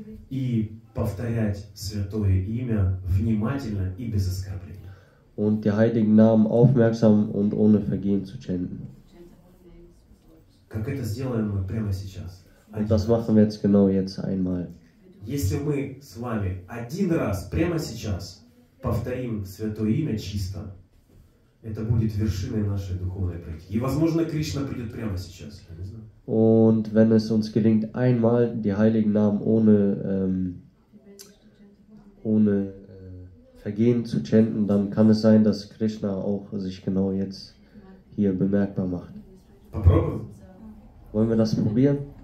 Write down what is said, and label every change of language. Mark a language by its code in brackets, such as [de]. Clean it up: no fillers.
[ru] И повторять святое имя внимательно и без оскорблений. [de] Und die heiligen Namen aufmerksam und ohne Vergehen zu chanten. [ru] Как это сделаем мы прямо сейчас? [de] Und das machen wir jetzt genau jetzt einmal. [ru] Если мы с вами один раз прямо сейчас повторим святое имя чисто, это будет вершиной нашей духовной практики. И возможно, Кришна придет прямо сейчас. Я не знаю. [de] Und wenn es uns gelingt, einmal die heiligen Namen ohne, ohne Vergehen zu chanten, dann kann es sein, dass Krishna auch sich genau jetzt hier bemerkbar macht. Wollen wir das probieren?